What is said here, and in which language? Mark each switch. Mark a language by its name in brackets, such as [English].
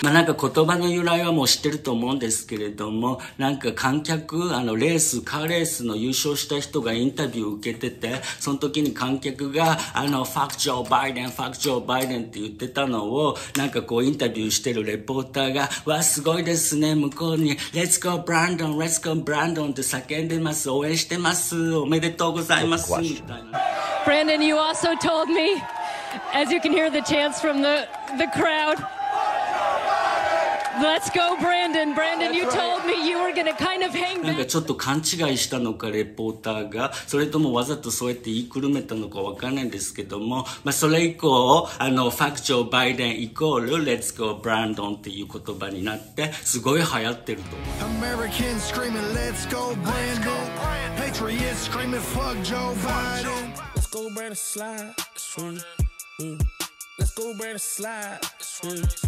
[Japanese] まあなんか言葉の由来はもう知ってると思うんですけれども、なんか観客レースカーレースの優勝した人がインタビュー受けてて、その時に観客がファクジョーバイデン、ファクジョーバイデンって言ってたのを、なんかこうインタビューしてるレポーターがわーすごいですね、向こうにレッツゴーブランドン、レッツゴーブランドンって叫んでます、応援してます、おめでとうございます。 [English] Brandon, you also told me, as you can hear the chants from the crowd, Let's go, Brandon. Brandon, you told me you were gonna kind of hang back. [Japanese] なんかちょっと勘違いしたのか、レポーターが。それともわざとそうやって言いくるめたのかわかんないんですけども。まあ、それ以降、ファクチョーバイデンイコール、 [English] Let's go, Brandon [Japanese] っていう言葉になって、すごい流行ってると思う。 [English] American screaming, Let's go, Brandon. Patriots screaming, fuck Joe Biden. Let's go, Brandon, slide, swing. Let's go, Brandon, slide, swing.